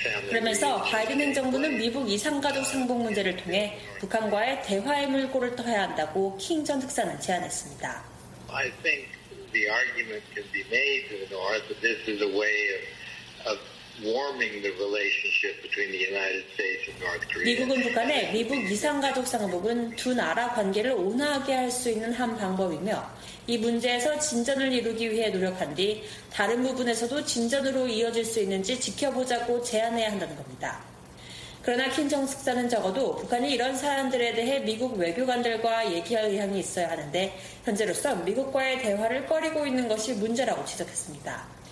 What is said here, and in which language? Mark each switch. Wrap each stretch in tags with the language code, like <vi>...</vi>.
<ko>그러면서 바이든 행정부는 미북 이산가족 상봉 문제를 통해 북한과의 대화의 물꼬를 터야 한다고 킹 전 특사는 제안했습니다.</ko> <en>I think the argument can be made to the North that this is a way of warming the relationship between the United States and North Korea.</en> <ko>미국은 북한의 미북 이산가족 상봉은 두 나라 관계를 온화하게 할 수 있는 한 방법이며 이 문제에서 진전을 이루기 위해 노력한 뒤 다른 부분에서도 진전으로 이어질 수 있는지 지켜보자고 제안해야 한다는 겁니다. 그러나 킴 정숙자는 적어도 북한이 이런 사람들에 대해 미국 외교관들과 얘기할 의향이 있어야 하는데 현재로선 미국과의 대화를 꺼리고 있는 것이 문제라고 지적했습니다.</ko>